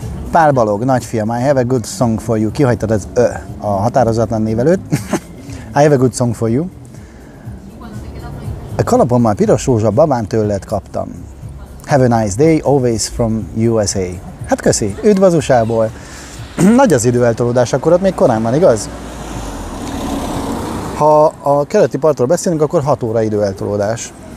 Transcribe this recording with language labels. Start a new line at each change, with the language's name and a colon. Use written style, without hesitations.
English: Pál Balog, nagyfiam, I have a good song for you.
Hungarian: Kihagytad az ö, a határozatlan névelőt.
English: I have a good song for you.
Hungarian: A kalapommal piros rózsa babán tőled kaptam.
English: Have a nice day, always from USA.
Hungarian: Hát köszi, üdv az USA-ból. Nagy az időeltolódás, akkor ott még korán van, igaz? Ha a keleti partról beszélünk, akkor 6 óra időeltolódás.